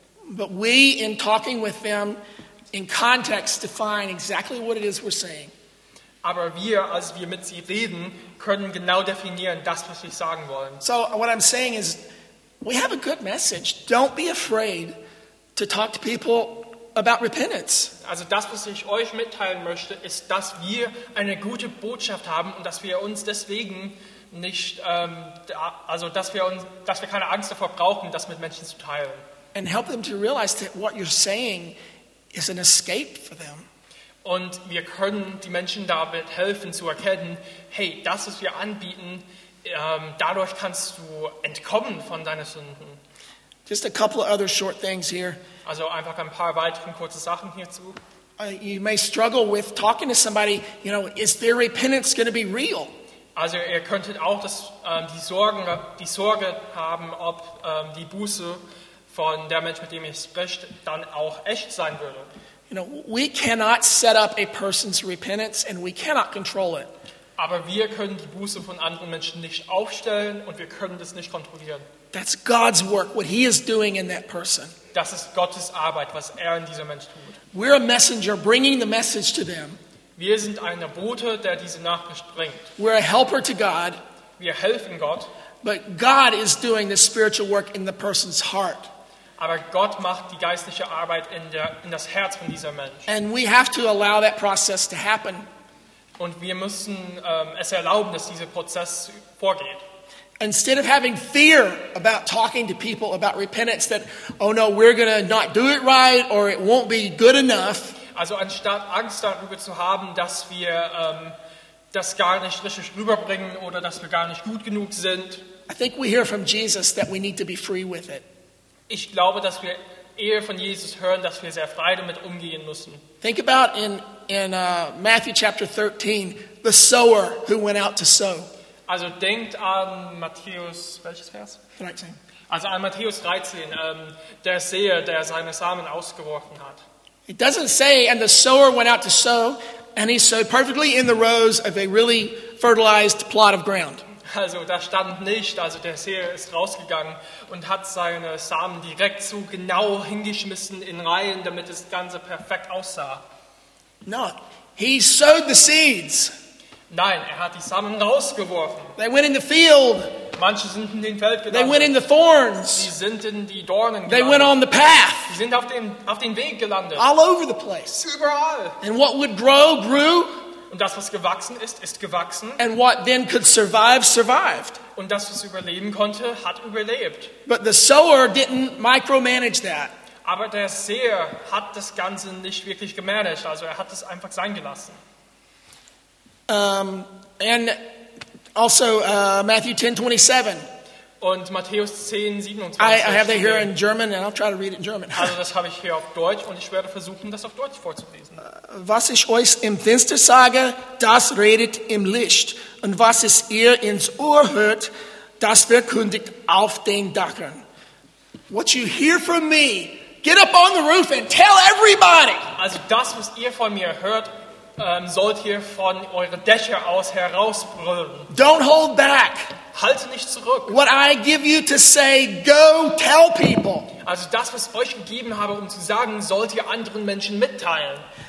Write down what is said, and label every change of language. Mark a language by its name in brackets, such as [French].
[English] But we, in talking with them, in context, define exactly what it is we're saying. [German] Aber wir, als wir mit sie reden, können genau definieren, das, was wir sagen wollen. [English] So what I'm saying is, we have a good message. Don't be afraid to talk to people about repentance. [German] Also das, was ich euch mitteilen möchte, ist, dass wir eine gute Botschaft haben und dass wir uns deswegen nicht, dass wir keine Angst davor brauchen, das mit Menschen zu teilen. [English] And help them to realize that what you're saying is an escape for them. [German] Und wir können die Menschen damit helfen zu erkennen, hey, das, was wir anbieten, dadurch kannst du entkommen von deinen Sünden. [English] Just a couple of other short things here. [German] Also einfach ein paar weitere kurze Sachen hierzu. [English] You may struggle with talking to somebody, you know, is their repentance going to be real? [German] Also ihr könntet auch das, die Sorge haben, ob die Buße von der Mensch, mit dem ihr spricht, dann auch echt sein würde. [English] You know, we cannot set up a person's repentance and we cannot control it. [German] Aber wir können die Buße von anderen Menschen nicht aufstellen und wir können das nicht kontrollieren. [English] That's God's work, what he is doing in that person. [German] Das ist Gottes Arbeit, was in diesem Mensch tut. [English] We're a messenger bringing the message to them. [German] Wir sind eine Bote, der diese Nachricht bringt. [English] We're a helper to God. [German] Wir helfen Gott. [English] But God is doing the spiritual work in the person's heart. [German] Aber Gott macht die geistliche Arbeit in das Herz von diesem Mensch. [English] And we have to allow that process to happen. [German] Und wir müssen es erlauben, dass dieser Prozess vorgeht. [English] Instead of having fear about talking to people about repentance, that, oh no, we're going to not do it right or it won't be good enough. [German] Also anstatt Angst darüber zu haben, dass wir das gar nicht richtig rüberbringen oder dass wir gar nicht gut genug sind. [English] I think we hear from Jesus that we need to be free with it. [German] Ich glaube, dass wir eher von Jesus hören, dass wir sehr frei damit umgehen müssen. [English] Think about in Matthew chapter 13, the sower who went out to sow. [German] Also denkt an Matthäus, welches Vers? 13. Also an Matthäus 13, der Seher, der seine Samen ausgeworfen hat. [English] It doesn't say, and the sower went out to sow, and he sowed perfectly in the rows of a really fertilized plot of ground. [German] Also da stand nicht, also der Seher ist rausgegangen und hat seine Samen direkt so genau hingeschmissen in Reihen, damit das Ganze perfekt aussah. [English] No, he sowed the seeds. [German] Nein, er hat die Samen rausgeworfen. [English] They went in the field. [German] Manche sind in den Feld gegangen. [English] They went in the thorns. [German] Sie sind in die Dornen gelandet. [English] They went on the path. [German] Sie sind auf den Weg gelandet. [English] All over the place. [German] Überall. [English] And what would grow, grew. [German] Und das, was gewachsen ist, ist gewachsen. [English] And what then could survive, survived. [German] Und das, was überleben konnte, hat überlebt. [English] But the sower didn't micromanage that. [German] Aber der Seher hat das Ganze nicht wirklich gemanagt. Also er hat es einfach sein gelassen. [English] And also Matthew 10:27. [German] Und Matthäus 10:27. [English] I have that here in German, and I'll try to read it in German. [German] Also das habe ich hier auf Deutsch, und ich werde versuchen, das auf Deutsch vorzulesen. Was ich euch im Fenster sage, das redet im Licht. Und was es ihr ins Ohr hört, das verkündigt auf den Dachern. [English] What you hear from me, get up on the roof and tell everybody. [German] Also das, was ihr von mir hört, sollt ihr von eure Dächer aus herausbrüllen. [English] Don't hold back. [German] Halte nicht zurück. [English] What I give you to say, go tell people. [German] Also das, was ich euch gegeben habe, um zu sagen, sollt ihr anderen Menschen mitteilen.